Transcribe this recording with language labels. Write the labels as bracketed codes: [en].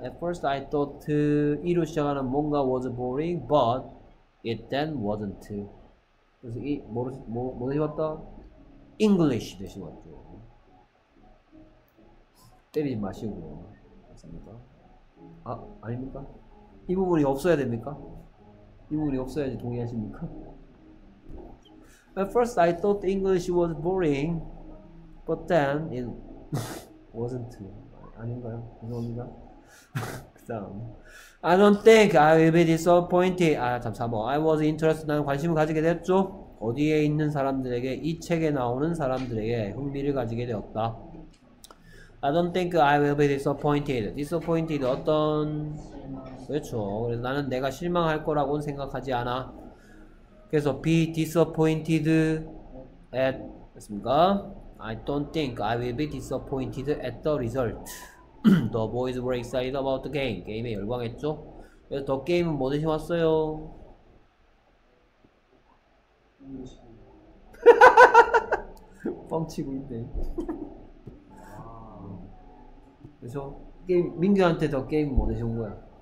[en] At first I thought [ko] 이로 시작하는 뭔가 [en] was boring, but it then wasn't. [ko] 그래서 이 모르 뭐 해봤다? English 되신 것 같아요. 때리지 마시고. 맞습니까? 아, 아닙니까? 이 부분이 없어야 됩니까? 이 부분이 없어야지 동의하십니까? [en] At first, I thought English was boring, but then it wasn't. [ko] 아닌가요? 죄송합니다. 그다음. [en] I don't think I will be disappointed. [ko] 아, 참, 3번. [en] I was interested. [ko] 나는 관심을 가지게 됐죠? 어디에 있는 사람들에게, 이 책에 나오는 사람들에게 흥미를 가지게 되었다. [en] I don't think I will be disappointed. Disappointed [ko] 어떤, 그렇죠. 그래서 나는 내가 실망할 거라고는 생각하지 않아. 그래서 [en] be disappointed at, [ko] 됐습니까? [en] I don't think I will be disappointed at the result. The boys were excited about the game. [ko] 게임에 열광했죠. 그래서 더 게임은 뭐 드시고 왔어요? 뻥치고 있네. 그래서 게임 민규한테 더 게임 뭐 드신 거야?